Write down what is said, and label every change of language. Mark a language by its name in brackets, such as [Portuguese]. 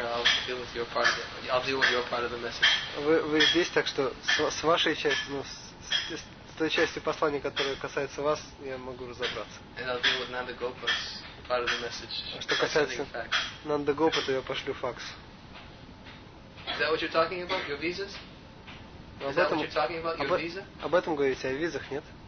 [English] I'll deal with your part of the message. [Russian] Вы здесь, так что с вашей частью, ну с той частью послания, которая касается вас, я могу разобраться. [English] And I'll deal with Nanda Gopa's part of the message. [Russian] Что касается Нанда Гопа, то я пошлю факс. [English] Is that what you're talking about? Your visas? [Russian] Об этом говорите, о визах, нет?